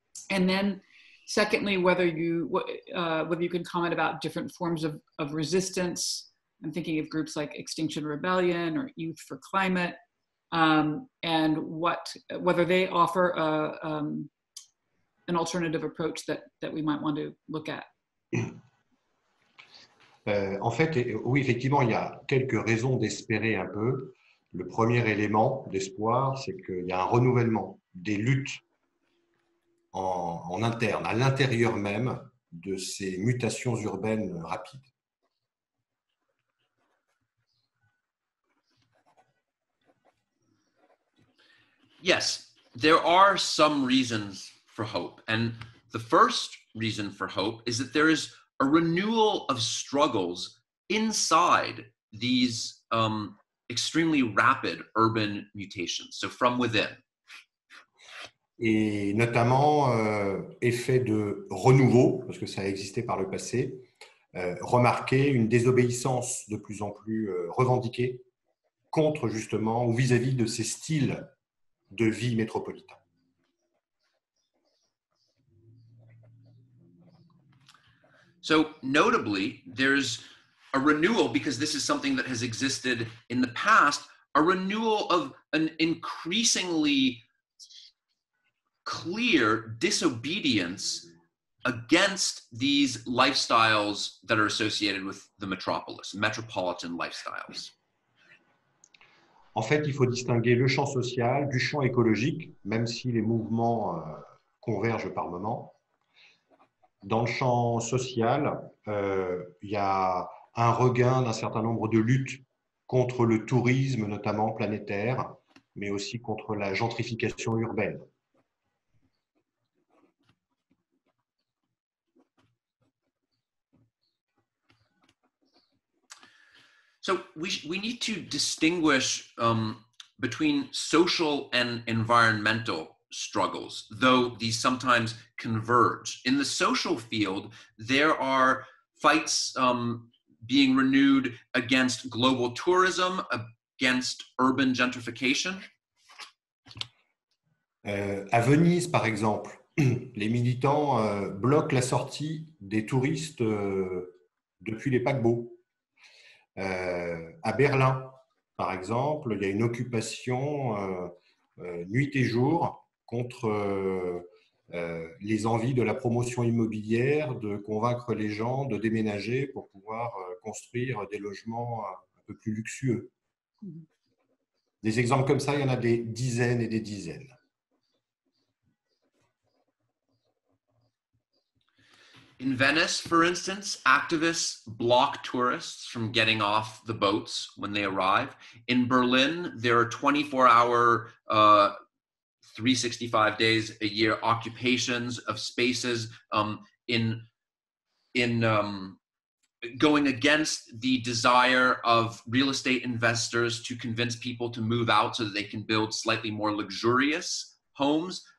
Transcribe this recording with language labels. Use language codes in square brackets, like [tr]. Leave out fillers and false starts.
[en] And then secondly, whether you can comment about different forms of resistance. I'm thinking of groups like Extinction Rebellion or Youth for Climate, and whether they offer an alternative approach that we might want to look at. [fr] En fait, oui, effectivement, il y a quelques raisons d'espérer un peu. Le premier élément d'espoir, c'est qu'il y a un renouvellement des luttes en interne, à l'intérieur même de ces mutations urbaines rapides. [en] Yes, there are some reasons for hope. And the first reason for hope is that there is a renewal of struggles inside these extremely rapid urban mutations. So from within. [fr] Et notamment effet de renouveau, parce que ça a existé par le passé, remarquer une désobéissance de plus en plus revendiquée contre justement ou vis-à-vis de ces styles de vie métropolitain. [en] So notably, there's a renewal, because this is something that has existed in the past, a renewal of an increasingly clear disobedience against these lifestyles that are associated with the metropolis, metropolitan lifestyles. [fr] En fait, il faut distinguer le champ social du champ écologique, même si les mouvements convergent par moments. Dans le champ social, il y a un regain d'un certain nombre de luttes contre le tourisme, notamment planétaire, mais aussi contre la gentrification urbaine. [en] So we need to distinguish between social and environmental struggles, though these sometimes converge. In the social field, there are fights being renewed against global tourism, against urban gentrification. [fr] À Venise, par exemple, les militants bloquent la sortie des touristes depuis les paquebots. À Berlin, par exemple, il y a une occupation nuit et jour contre les envies de la promotion immobilière, de convaincre les gens de déménager pour pouvoir construire des logements un peu plus luxueux. Des exemples comme ça, il y en a des dizaines et des dizaines. [en] In Venice, for instance, activists block tourists from getting off the boats when they arrive. In Berlin, there are 24-hour, 365 days a year occupations of spaces going against the desire of real estate investors to convince people to move out so that they can build slightly more luxurious homes.